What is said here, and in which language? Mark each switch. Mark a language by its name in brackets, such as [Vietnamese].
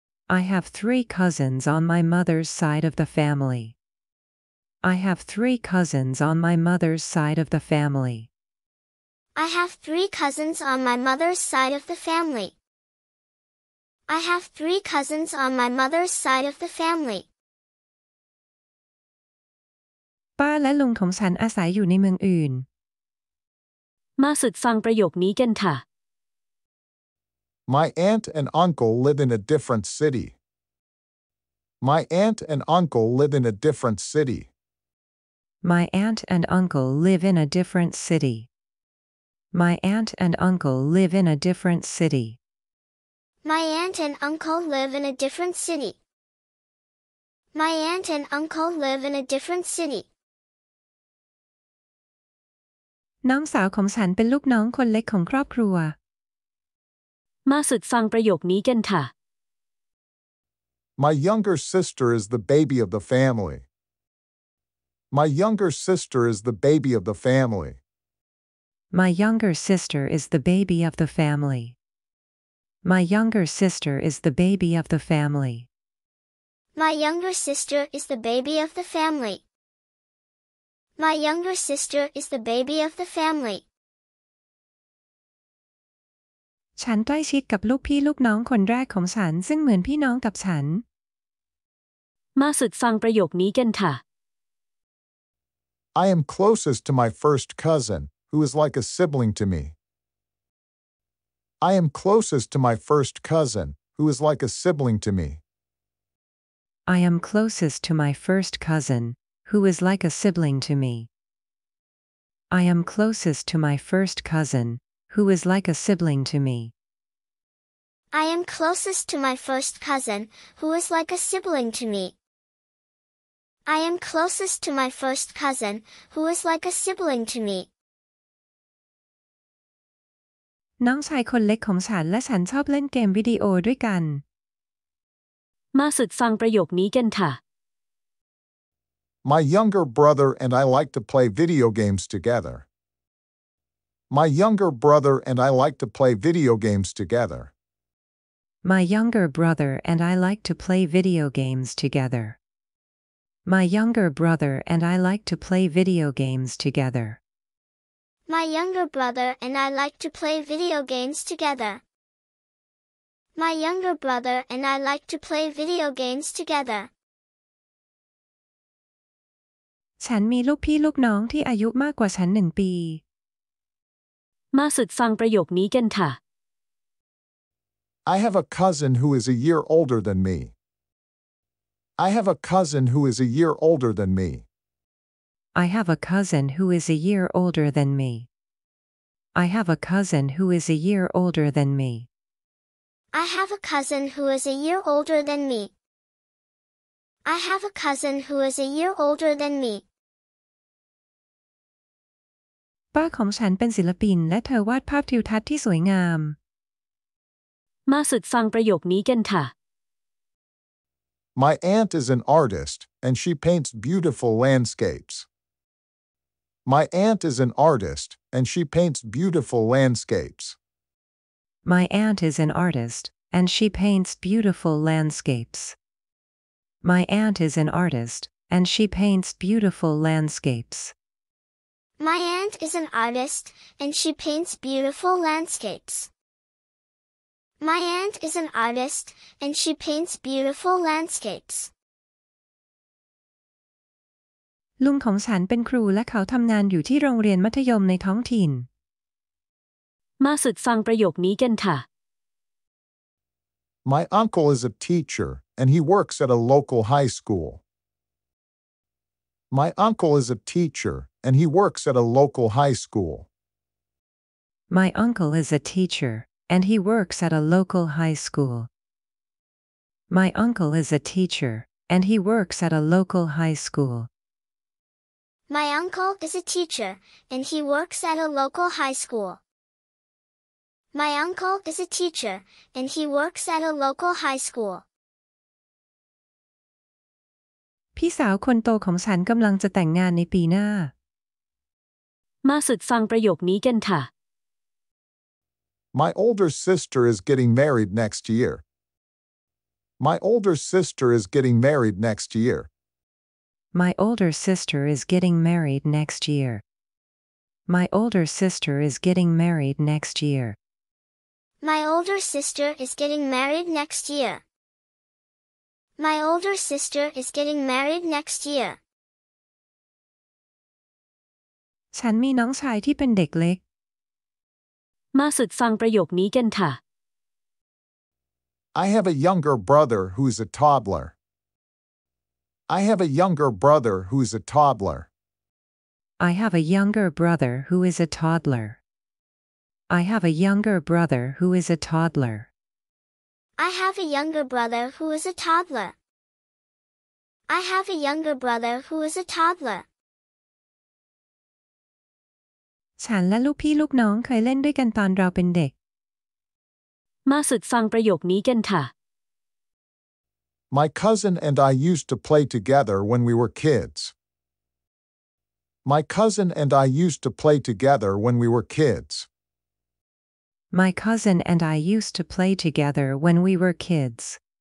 [English] I have 3 cousins on my mother's side of the family. I have 3 cousins on my mother's side of the family. I have 3 cousins on my mother's side of the family. I have 3 cousins on my mother's side of the family. [Thai] ป้าและลุงของฉันอาศัยอยู่ในเมืองอื่น มาฝึกฟังประโยคนี้กันค่ะ [English] My aunt and uncle live in a different city. My aunt and uncle live in a different city. My aunt and uncle live in a different city. My aunt and uncle live in a different city. My aunt and uncle live in a different city. My aunt and uncle live in a different city. [Thai] น้องสาวของฉันเป็นลูกน้องคนเล็กของครอบครัว มาฝึกฟังประโยคนี้กันค่ะ [English] My younger sister is the baby of the family. My younger sister is the baby of the family. My younger sister is the baby of the family. My younger sister is the baby of the family. My younger sister is the baby of the family. My younger sister is the baby of the family. [Thai] ฉันใกล้ชิดกับลูกพี่ลูกน้องคนแรกของฉันซึ่งเหมือนพี่น้องกับฉัน มาฝึกฟังประโยคนี้กันค่ะ [English] I am closest to my first cousin, who is like a sibling to me. I am closest to my first cousin, who is like a sibling to me. I am closest to my first cousin. Who is like a sibling to me? I am closest to my first cousin, who is like a sibling to me. I am closest to my first cousin, who is like a sibling to me. I am closest to my first cousin, who is like a sibling to me. [Thai] น้องชายคนเล็กของฉันและฉันชอบเล่นเกมวิดีโอด้วยกัน มาฝึกฟังประโยคนี้กันค่ะ [English] My younger brother and I like to play video games together. My younger brother and I like to play video games together. My younger brother and I like to play video games together. My younger brother and I like to play video games together. My younger brother and I like to play video games together. My younger brother and I like to play video games together. [Thai] ฉันมีลูกพี่ลูกน้องที่อายุมากกว่าฉัน1ปี มาฝึกฟังประโยคนี้กันค่ะ [English] I have a cousin who is a year older than me. I have a cousin who is a year older than me. I have a cousin who is a year older than me. I have a cousin who is a year older than me. I have a cousin who is a year older than me. I have a cousin who is a year older than me. [Thai] ป้าของฉันเป็นศิลปินและเธอวาดภาพทิวทัศน์ที่สวยงาม มาฝึกฟังประโยคนี้กันค่ะ [English] My aunt is an artist and she paints beautiful landscapes. My aunt is an artist and she paints beautiful landscapes. My aunt is an artist and she paints beautiful landscapes. My aunt is an artist and she paints beautiful landscapes. My aunt is an artist and she paints beautiful landscapes. My aunt is an artist and she paints beautiful landscapes. [Thai] ลุงของฉันเป็นครูและเขาทำงานอยู่ที่โรงเรียนมัธยมในท้องถิ่น มาฝึกฟังประโยคนี้กันค่ะ [English] My uncle is a teacher and he works at a local high school. My uncle is a teacher and he works at a local high school. My uncle is a teacher and he works at a local high school. My uncle is a teacher and he works at a local high school. My uncle is a teacher and he works at a local high school. My uncle is a teacher and he works at a local high school. [Thai] พี่สาวคนโตของฉันกำลังจะแต่งงานในปีหน้าม าฝึกฟังประโยคนี้กันค่ะ [English] My older sister is getting married next year. My older sister is getting married next year. My older sister is getting married next year. My older sister is getting married next year. My older sister is getting married next year. My older sister is getting married next year. [Thai] ฉันมีน้องชายที่เป็นเด็กเล็ก มาฝึกฟังประโยคนี้กันค่ะ [English] I have a younger brother who is a toddler. I have a younger brother who is a toddler. I have a younger brother who is a toddler. I have a younger brother who is a toddler. I have a younger brother who is a toddler. I have a younger brother who is a toddler. [Thai] ฉันและลูกพี่ลูกน้องเคยเล่นด้วยกันตอนเราเป็นเด็ก มาฝึกฟังประโยคนี้กันค่ะ [English] My cousin and I used to play together when we were kids. My cousin and I used to play together when we were kids. My cousin and I used to play together when we were kids.